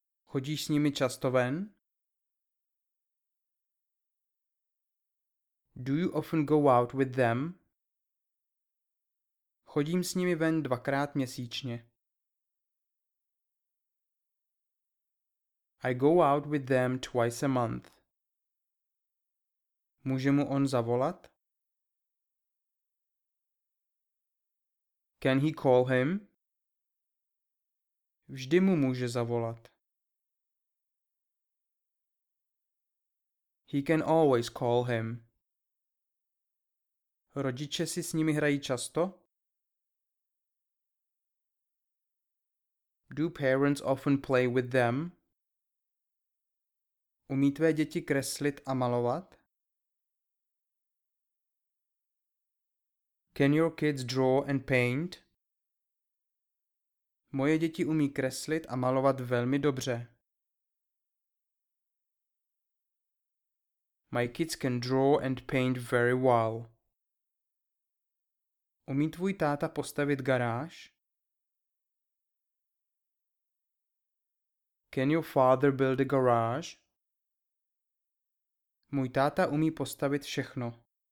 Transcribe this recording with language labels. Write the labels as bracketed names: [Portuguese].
[Czech] Chodíš s nimi často ven? [English] Do you often go out with them? [Czech] Chodím s nimi ven dvakrát měsíčně. [English] I go out with them twice a month. [Czech] Může mu on zavolat? Can he call him? Vždy mu může zavolat. [English] He can always call him. [Czech] Rodiče si s nimi hrají často? [English] Do parents often play with them? [Czech] Umí tvé děti kreslit a malovat? [English] Can your kids draw and paint? [Czech] Moje děti umí kreslit a malovat velmi dobře. [English] My kids can draw and paint very well. [Czech] Umí tvůj táta postavit garáž? [English] Can your father build a garage? [Czech] Můj táta umí postavit všechno.